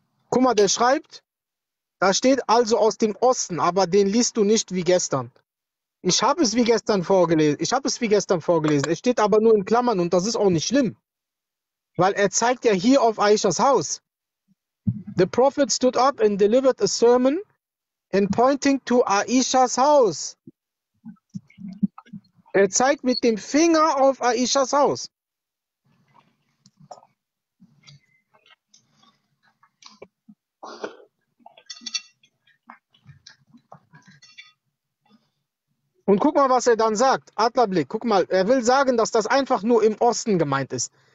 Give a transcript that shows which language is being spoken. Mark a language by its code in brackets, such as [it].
[de] Guck mal, der schreibt, da steht also aus dem Osten, aber den liest du nicht wie gestern. Ich habe es wie gestern vorgelesen. Ich habe es wie gestern vorgelesen. Es steht aber nur in Klammern und das ist auch nicht schlimm. Weil er zeigt ja hier auf Aishas Haus. [en] The prophet stood up and delivered a sermon and pointing to [de] Aishas Haus. Er zeigt mit dem Finger auf Aishas Haus. Und guck mal, was er dann sagt. Adlerblick, guck mal, er will sagen, dass das einfach nur im Osten gemeint ist.